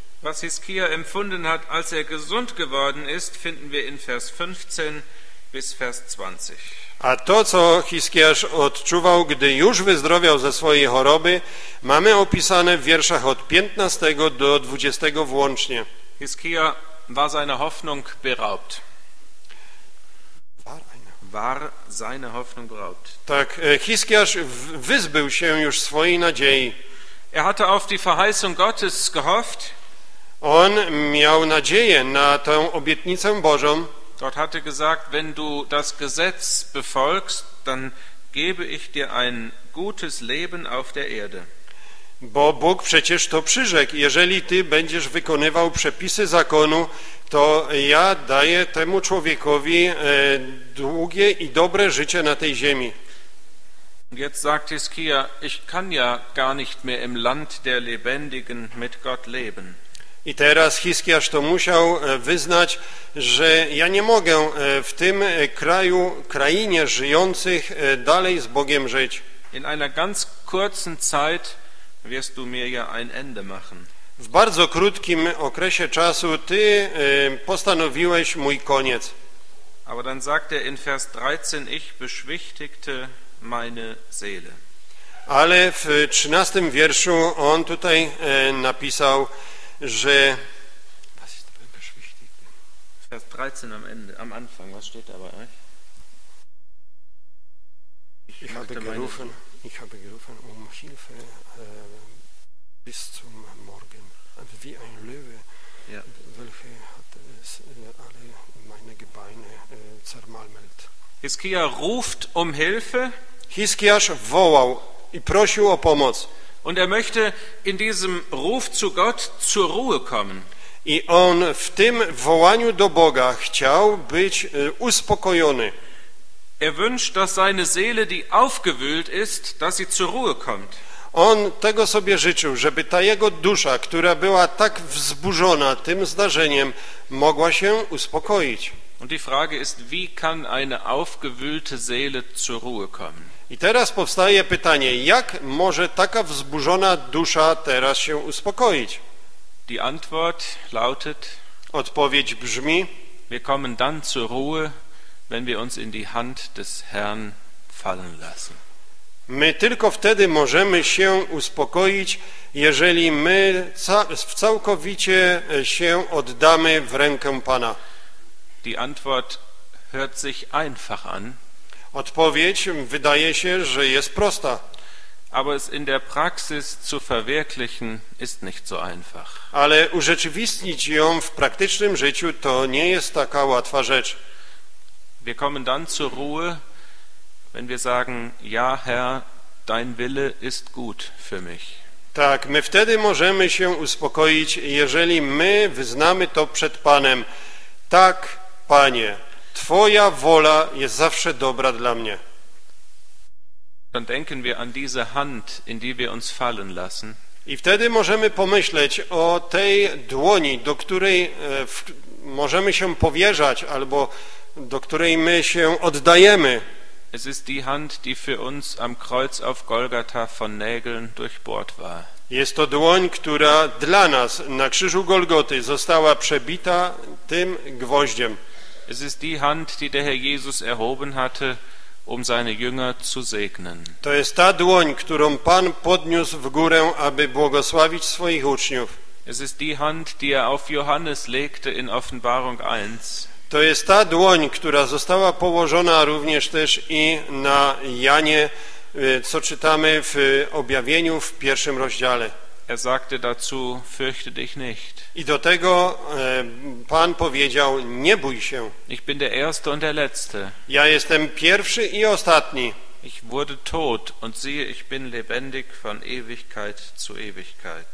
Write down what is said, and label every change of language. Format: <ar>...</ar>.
<de>Was Hiskia empfunden hat, als er gesund geworden ist, finden wir in Vers 15 bis Vers 20.</de> <pl>A to, co Hiskiasz odczuwał, gdy już wyzdrowiał ze swojej choroby, mamy opisane w wierszach od 15 do 20 włącznie.</pl> <de>Hiskia war seine Hoffnung beraubt. War seine Hoffnung beraubt.</de> <pl>Tak, Hiskiasz wyzbył się już swojej nadziei.</pl> <de>Er hatte auf die Verheißung Gottes gehofft.</de> <pl>On miał nadzieję na tę obietnicę Bożą.</pl> <de>Gott hatte gesagt, wenn du das Gesetz befolgst, dann gebe ich dir ein gutes Leben auf der Erde.</de> <pl>Bo Bóg przecież to przyrzekł. Jeżeli ty będziesz wykonywał przepisy zakonu, to ja daję temu człowiekowi długie i dobre życie na tej ziemi.</pl> <de>Jetzt sagt Hiskia, ich kann ja gar nicht mehr im Land der Lebendigen mit Gott leben.</de> <pl>I teraz Hiskiasz to musiał wyznać, że ja nie mogę w tym kraju, krainie żyjących dalej z Bogiem żyć.</pl> <de>In einer ganz kurzen Zeit wirst du mir ja ein Ende machen.</de> <pl>W bardzo krótkim okresie czasu ty postanowiłeś mój koniec.</pl> <de>Aber dann sagt er in Vers 13, ich beschwichtigte meine Seele.</de> <pl>Ale w 13 wierszu on tutaj napisał, że</pl> <de>was ist denn beschwichtigte? Vers 13 am Ende, am Anfang, was steht da bei euch? Ich habe gerufen, um Hilfe bis zum Morgen, wie ein Löwe, ja. Welche hat es alle meine Gebeine zermalmelt. Hiskia ruft um Hilfe.</de> <pl>Hiskiasz wołał i prosił o pomoc.</pl> <de>Und er möchte in diesem Ruf zu Gott zur Ruhe kommen.</de> <pl>I on w tym wołaniu do Boga chciał być uspokojony.</pl> <de>Er wünscht, dass seine Seele, die aufgewühlt ist, dass sie zur Ruhe kommt.</de> <pl>On tego sobie życzył, żeby ta jego dusza, która była tak wzburzona tym zdarzeniem, mogła się uspokoić.</pl> <de>Und die Frage ist, wie kann eine aufgewühlte Seele zur Ruhe kommen?</de> <pl>I teraz powstaje pytanie, jak może taka wzburzona dusza teraz się uspokoić?</pl> <de>Die Antwort lautet:</de> <pl>Odpowiedź brzmi:</pl> <de>Wir kommen dann zur Ruhe, wenn wir uns in die Hand des Herrn fallen lassen.</de> <pl>My tylko wtedy możemy się uspokoić, jeżeli my całkowicie się oddamy w rękę Pana.</pl> <de>Die Antwort hört sich einfach an.</de> <pl>Odpowiedź wydaje się, że jest prosta.</pl> <de>Aber es in der Praxis zu verwirklichen ist nicht so einfach.</de> <pl>Ale urzeczywistnić ją w praktycznym życiu to nie jest taka łatwa rzecz.</pl> <de>Wir kommen dann zur Ruhe, wenn wir sagen: Ja, Herr, dein Wille ist gut für mich.</de> <pl>Tak, my wtedy możemy się uspokoić, jeżeli my wyznamy to przed Panem: Tak, Panie, Twoja wola jest zawsze dobra dla mnie.</pl> <de>Dann denken wir an diese Hand, in die wir uns fallen lassen.</de> <pl>I wtedy możemy pomyśleć o tej dłoni, do której możemy się powierzać, albo do której my się oddajemy.</pl> <de>Es ist die Hand, die für uns am Kreuz auf Golgatha von Nägeln durchbohrt war.</de> <pl>Jest to dłoń, która dla nas na krzyżu Golgoty została przebita tym gwoździem.</pl> <de>Es ist die Hand, die der Herr Jesus erhoben hatte, um seine Jünger zu segnen.</de> <pl>To jest ta dłoń, którą Pan podniósł w górę, aby błogosławić swoich uczniów.</pl> <de>Es ist die Hand, die er auf Johannes legte in Offenbarung 1.</de> <pl>To jest ta dłoń, która została położona również też i na Janie, co czytamy w objawieniu w pierwszym rozdziale.</pl> <de>Er sagte dazu: Fürchte dich nicht.</de> <pl>I do tego Pan powiedział: Nie bój się.</pl> <de>Ich bin der Erste und der Letzte.</de> <pl>Ja jestem pierwszy i ostatni.</pl> <de>Ich wurde tot und siehe, ich bin lebendig von Ewigkeit zu Ewigkeit.</de>